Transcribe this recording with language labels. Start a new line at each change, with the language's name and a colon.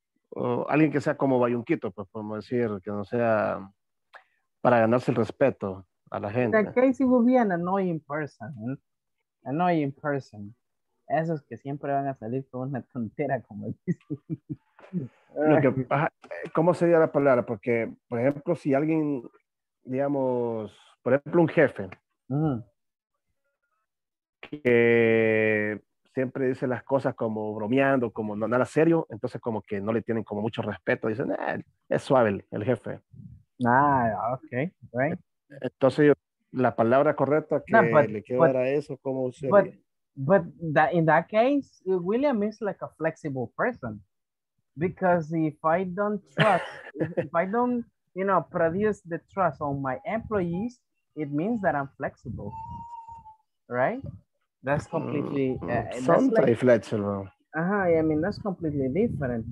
Spanish: O alguien que sea como bayunquito, pues podemos decir que no sea para ganarse el respeto a la gente.
English: In that case, it will be an annoying person. Annoying person.
Spanish: Esos que siempre van a salir con una tontera, como dice. ¿Cómo sería la palabra? Porque, por ejemplo, si alguien, digamos, por ejemplo, un jefe, que siempre dice las cosas como bromeando, como nada serio, entonces como que no le tienen como mucho respeto, dicen, es suave el jefe.
English: Ah, ok, right.
Spanish: Entonces yo, la palabra correcta que le quedara eso, como sería.
English: But that, in that case, William is like a flexible person, because if I don't trust, if I don't, you know, produce the trust on my employees, it means that I'm flexible, right? That's completely that's completely different.